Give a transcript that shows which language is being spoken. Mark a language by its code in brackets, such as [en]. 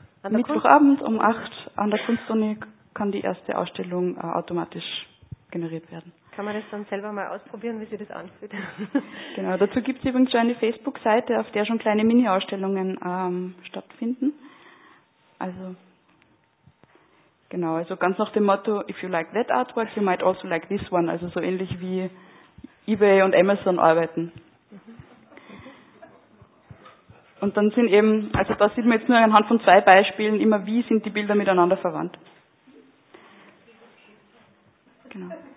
[de] Mittwochabend um 8 an der Kunstuni kann die erste Ausstellung automatisch generiert werden. Kann man das dann selber mal ausprobieren, wie sich das anfühlt? Genau, dazu gibt es übrigens schon eine Facebook-Seite, auf der schon kleine Mini-Ausstellungen stattfinden. Also ganz nach dem Motto, [en] if you like that artwork, you might also like this one. [de] Also so ähnlich wie eBay und Amazon arbeiten. Und dann sind eben, also da sieht man jetzt nur anhand von 2 Beispielen immer, wie sind die Bilder miteinander verwandt. Genau.